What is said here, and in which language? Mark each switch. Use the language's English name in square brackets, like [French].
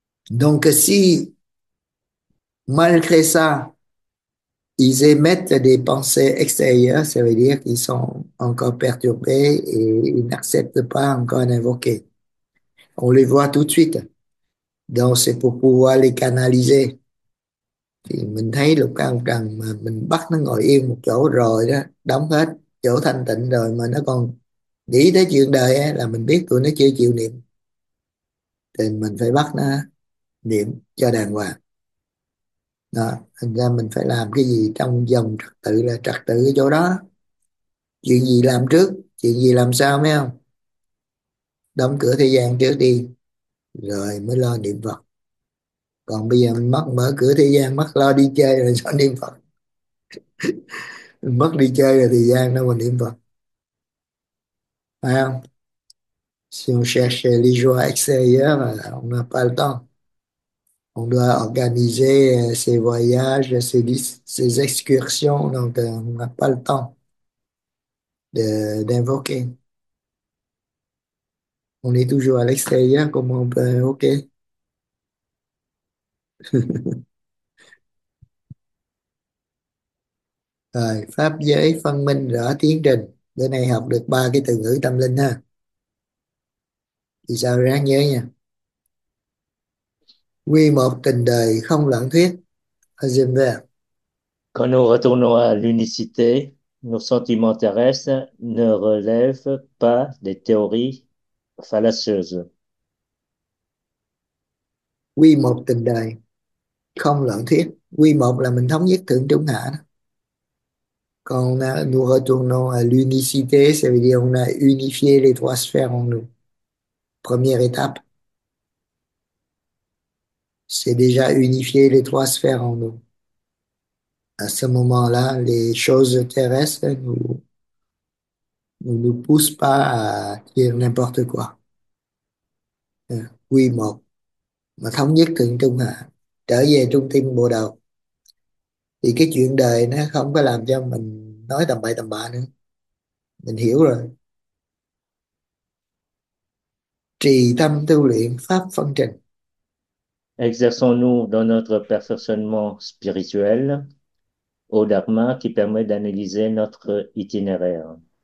[French] Donc si, malgré ça, ils émettent des pensées extérieures, ça veut dire qu'ils sont encore perturbés et ils n'acceptent pas encore d'invoquer. On les voit tout de suite. Donc c'est pour pouvoir les canaliser. [Vietnamese] Thì mình thấy lục căn trần mà mình bắt nó ngồi yên một chỗ rồi đó, đóng hết chỗ thanh tịnh rồi mà nó còn nghĩ tới chuyện đời ấy, là mình biết tụi nó chưa chịu niệm, thì mình phải bắt nó niệm cho đàng hoàng đó. Thành ra mình phải làm cái gì trong vòng trật tự, là trật tự cái chỗ đó, chuyện gì làm trước, chuyện gì làm sau, mấy không đóng cửa thời gian trước đi rồi mới lo niệm Phật. Còn bây giờ mình mất mở cửa thời gian, mất lo đi chơi rồi sao niệm Phật? Mất đi chơi rồi thời gian đâu mà niệm Phật, phải không? [French] Si on cherche les joies extérieures, on n'a pas le temps. On doit organiser ses voyages, ses excursions, donc on n'a pas le temps d'invoquer. On est toujours à l'extérieur, comment on peut invoquer? [Vietnamese] Rồi, pháp giới phân minh rõ tiến trình. Bữa nay học được ba cái từ ngữ tâm linh ha. Thì sao ráng nhớ nha. Quy một tình đời không lãng thuyết. Hãy [French] Quand nous retournons à l'unicité, nos sentiments terrestres ne relèvent pas des théories fallacieuses. [Vietnamese] quy một tình đời không lận thuyết. Quy một là mình thống nhất thượng trung hạ đó. [French] Còn nous retournons à l'unicité, ça veut dire on a unifié les trois sphères en nous. Première étape. C'est déjà unifier les trois sphères en nous. À ce moment-là, les choses terrestres ne nous poussent pas à dire n'importe quoi. [Vietnamese] Quy một. Mà thống nhất thượng trung hạ, trở về trung tâm bộ đầu, thì cái chuyện đời nó không có làm cho mình nói tầm bậy tầm bạ nữa. Mình hiểu rồi. Trì tâm tu luyện pháp phân trình. [French] Exerçons-nous dans notre perfectionnement spirituel au Dharma qui permet d'analyser notre itinéraire.